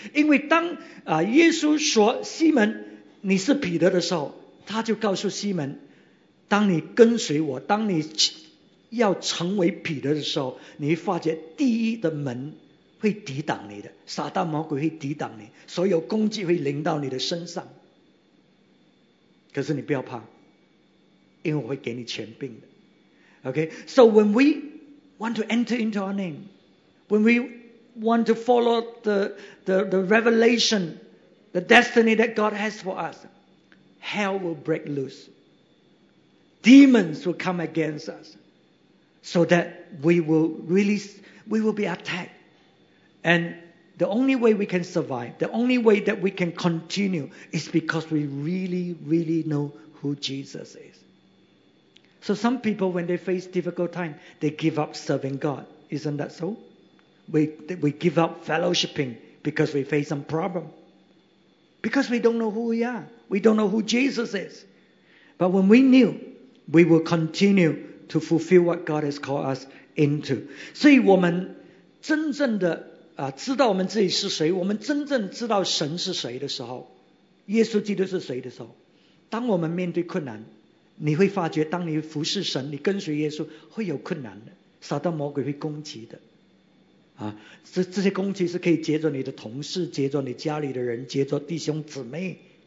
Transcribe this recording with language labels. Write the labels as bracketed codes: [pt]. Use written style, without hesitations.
[zh] 因为当耶稣说西门你是彼得的时候，他就告诉西门，当你跟随我，当你要成为彼得的时候，你会发觉第一的门会抵挡你的，撒旦魔鬼会抵挡你，所有攻击会临到你的身上，可是你不要怕，因为我会给你权柄的。 [en] OK, so when we want to enter into our name, when we want to follow the revelation, the destiny that God has for us, hell will break loose. Demons will come against us so that we will be attacked. And the only way we can survive, the only way that we can continue is because we really, really know who Jesus is. So some people, when they face difficult time, they give up serving God. Isn't that so? We give up fellowshipping because we face some problem. Because we don't know who we are. We don't know who Jesus is. But when we knew, we will continue to fulfill what God has called us into. [zh] 所以我们真正的知道我们自己是谁，我们真正知道神是谁的时候，耶稣基督是谁的时候，当我们面对困难，你会发觉当你服侍神，你跟随耶稣会有困难的，撒旦魔鬼会攻击的这些攻击是可以接着你的同事，接着你家里的人，接着弟兄姊妹，